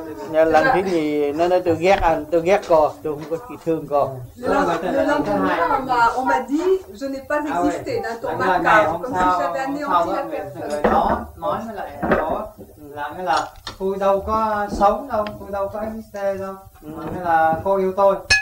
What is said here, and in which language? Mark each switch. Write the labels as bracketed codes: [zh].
[vi] Lần thứ nhì nó nói tôi ghét anh, tôi ghét cô, tôi không có gì thương cô. [fr] Le lendemain, on m'a dit je n'ai pas existé d'un ton macabre, comme si j'avais anéanti la personne. [vi] Nói mới lại là tôi đâu có sống đâu, tôi đâu có existé đâu, nói là cô yêu tôi.